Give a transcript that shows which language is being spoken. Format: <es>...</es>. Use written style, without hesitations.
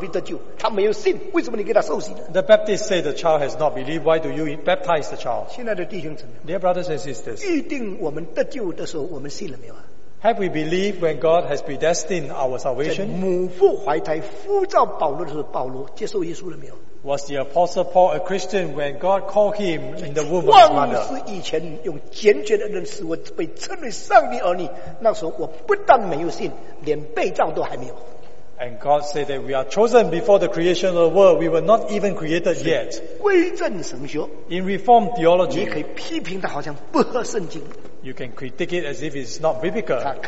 <zh>信会系统的人，你信而受洗的就必得救。他没有信，为什么你给他受洗呢？</zh> <en>The Baptist say the child has not believed. Why do you baptize the child?</en> <zh>亲爱的弟兄姊妹，</zh> <en>Dear brothers and sisters,</en> <zh>预定我们得救的时候，我们信了没有啊？</zh> <en>Have we believed when God has predestined our salvation?</en> <zh>在母腹怀胎呼召保罗的时候，保罗接受耶稣了没有？</zh> <en>Was the Apostle Paul a Christian when God called him in the womb of his mother?</en> <zh>创世以前用坚决的认识，我被称为上帝儿女。那时候我不但没有信，连被造都还没有。</zh> <en>And God said that we are chosen before the creation of the world. We were not even created yet.</en> <zh>归正神学，</zh> <en>In Reformed theology,</en> <zh>你可以批评它好像不合圣经。</zh> <en>You can critique it as if it's not biblical.</en>